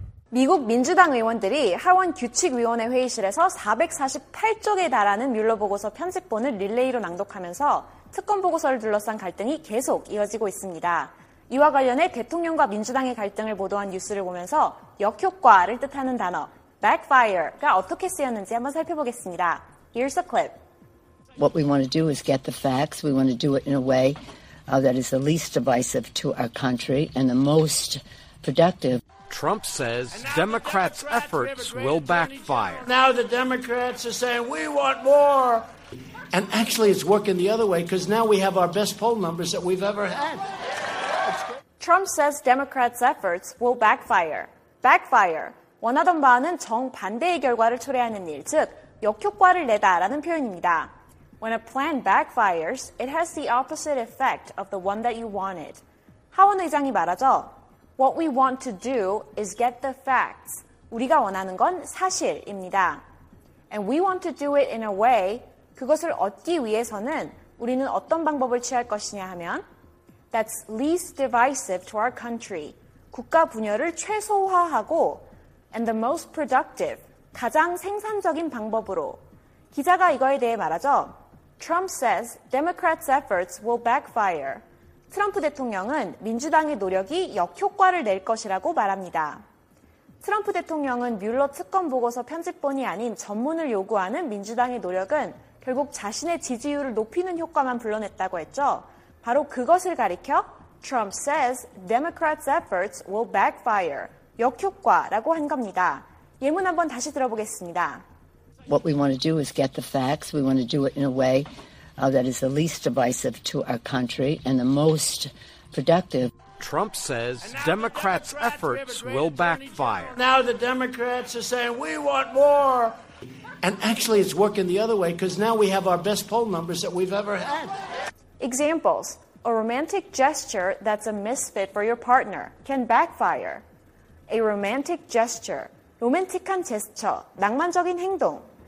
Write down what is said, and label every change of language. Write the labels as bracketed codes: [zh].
[ko] 미국 민주당 의원들이 하원 규칙위원회 회의실에서 448쪽에 달하는 뮬러 보고서 편집본을 릴레이로 낭독하면서 특검 보고서를 둘러싼 갈등이 계속 이어지고 있습니다. 이와 관련해 대통령과 민주당의 갈등을 보도한 뉴스를 보면서 역효과를 뜻하는 단어 backfire가 어떻게 쓰였는지 한번 살펴보겠습니다. [en] Here's a clip. What we want to do is get the facts. We want to do it in a way that is the least divisive to our country and the most productive. Trump says Democrats' efforts will backfire. Now the Democrats are saying, we want more. And actually, it's working the other way because now we have our best poll numbers that we've ever had. Trump says Democrats' efforts will backfire. Backfire. [ko] 원하던 바는 정반대의 결과를 초래하는 일, 즉 역효과를 내다라는 표현입니다. [en] When a plan backfires, it has the opposite effect of the one that you wanted. [ko] 하원 의장이 말하죠. [en] What we want to do is get the facts. [ko] 우리가 원하는 건 사실입니다. [en] And we want to do it in a way. [ko] 그것을 얻기 위해서는 우리는 어떤 방법을 취할 것이냐 하면 [en] That's least divisive to our country. [ko] 국가 분열을 최소화하고 [en] And the most productive. [ko] 가장 생산적인 방법으로. 기자가 이거에 대해 말하죠. [en] Trump says Democrats' efforts will backfire. [ko] 트럼프 대통령은 민주당의 노력이 역효과를 낼 것이라고 말합니다. 트럼프 대통령은 뮬러 특검 보고서 편집본이 아닌 전문을 요구하는 민주당의 노력은 결국 자신의 지지율을 높이는 효과만 불러냈다고 했죠. 바로 그것을 가리켜 [en] Trump says Democrats' efforts will backfire. [ko] 역효과라고 한 겁니다. 예문 한번 다시 들어보겠습니다. [en] What we want to do is get the facts. We want to do it in a way that is the least divisive to our country and the most productive. Trump says Democrats' efforts will backfire. Now the Democrats are saying, we want more. And actually, it's working the other way because now we have our best poll numbers that we've ever had. Examples. A romantic gesture that's a misfit for your partner can backfire. A romantic gesture. [ko] 로맨틱한 제스처, 낭만적인 행동.